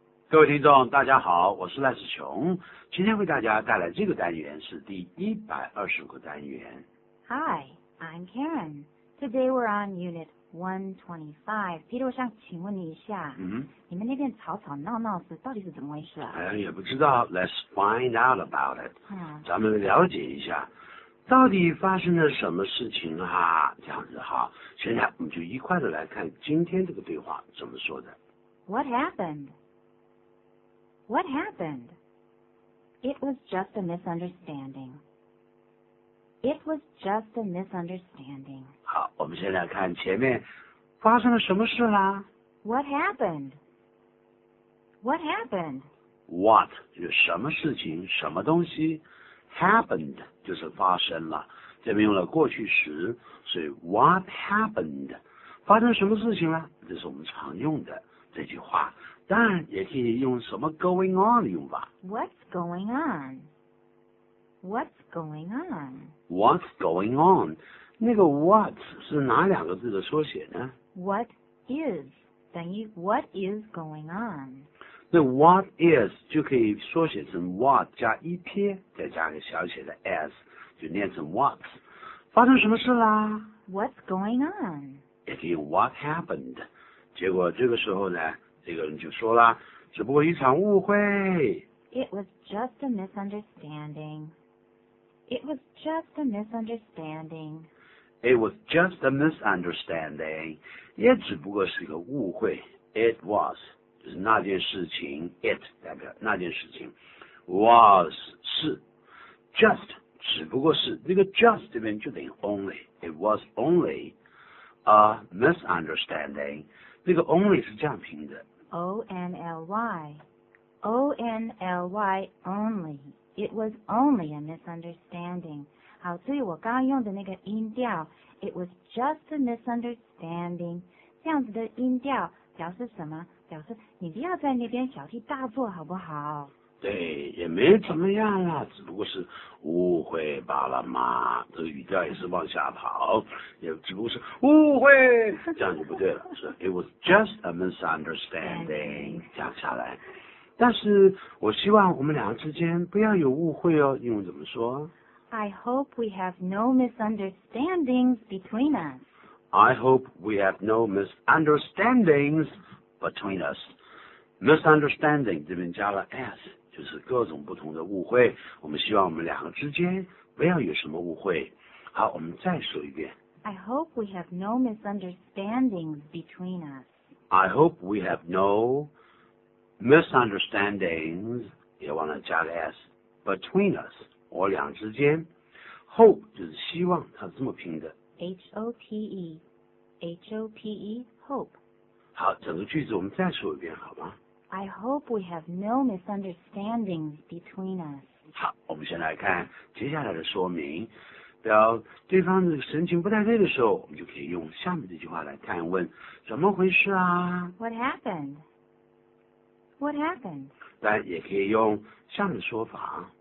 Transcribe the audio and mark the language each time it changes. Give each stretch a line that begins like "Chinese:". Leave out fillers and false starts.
Chinese: 各位听众大家好，我是赖世琼，今天为大家带来这个单元是第125个单元。
English: Hi, I'm Karen. Today we're on Unit 125.
Chinese: Peter, 我想请问你一下，你们那边吵吵闹闹是到底是怎么回事啊？也不知道，
English: Let's find out about it.
Chinese: 咱们了解一下到底发生了什么事情啊，这样子哈。现在我们就一块的来看今天这个对话怎么说的。
English: What happened? What happened? It was just a misunderstanding. It was just a misunderstanding.
Chinese: 好，我们先来看前面发生了什么事啦。
English: What happened? What happened?
Chinese: What 就是什么事情，什么东西。Happened 就是发生了，这边用了过去时，所以
English: What happened?
Chinese: 发生什么事情了？这是我们常用的这句话。当然也可以用什么 going on 用吧。
English: What's going on? What's going on? What's going on?
Chinese: 那个 what 是哪两个字的缩写呢？
English: What is
Chinese: 等于
English: what is going on?
Chinese: 那 what is 就可以缩写成 what 加一撇，再加个小写的 s， 就念成 what。发生什么事啦？
English: What's going on?
Chinese: 也可以用
English: what happened。
Chinese: 结果这个时候呢，这个人就说了，只不过一场误会。
English: It was just a misunderstanding. It was just a misunderstanding. It was just a misunderstanding.
Chinese: 也只不过是一个误会。 It was 就是那件事情。 It 代表那件事情。 Was 是 just 只不过是，那个 just 这边就等于 only。
English: It was only a misunderstanding.
Chinese: 那个 only 是这样拼的。
English: O-N-L-Y O-N-L-Y only. It was only a misunderstanding.
Chinese: 好，所以我刚刚用的那个音调
English: It was just a misunderstanding.
Chinese: 这样子的音调表示什么？表示你不要在那边小题大做好不好？对，也没怎么样啦，只不过是误会罢了嘛。这个语调也是往下跑，也只不过是误会，这样就不对了。是
English: It was just a misunderstanding，
Chinese: 讲下来。但是我希望我们两个之间不要有误会哦，英文怎么说？
English: I hope we have no misunderstandings between us. I hope we have no misunderstandings between us.
Chinese: Misunderstanding 这边加了 s，就是各种不同的误会，我们希望我们两个之间不要有什么误会。好，我们再说一遍。
English: I hope we have no misunderstandings between us. I hope we have no misunderstandings,
Chinese: 也忘了加个 s,
English: between us,
Chinese: 我俩之间。 Hope 就是希望，它是这么拼的。
English: H-O-P-E, H-O-P-E, hope.
Chinese: 好，整个句子我们再说一遍好吗？ I hope we have no misunderstandings between us. 好，我们先来看接下来的说明。表对方的神情不太对的时候，我们就可以用下面这句话来探问，怎么回事啊？
English: What happened? What happened?
Chinese: 但也可以用下面的说法。